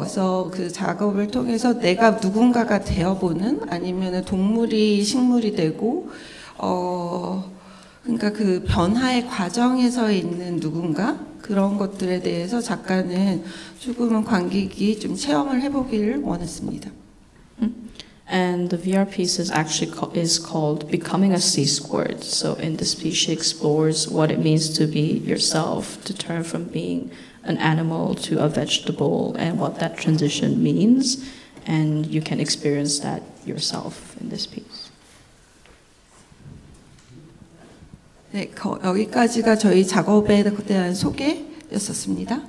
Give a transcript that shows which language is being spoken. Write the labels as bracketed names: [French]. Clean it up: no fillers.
[Korean] 그래서 그 작업을 통해서 내가 누군가가 되어보는 아니면 동물이 식물이 되고 그러니까 그 변화의 과정에서 있는 누군가 그런 것들에 대해서 작가는 조금은 관객이 좀 체험을 해보기를 원했습니다. [English] And the VR piece is called Becoming a Sea Squirt. So in this piece, she explores what it means to be yourself, to turn from being an animal to a vegetable, and what that transition means. And you can experience that yourself in this piece. [Korean] 네, 여기까지가 저희 작업에 대한 소개였었습니다.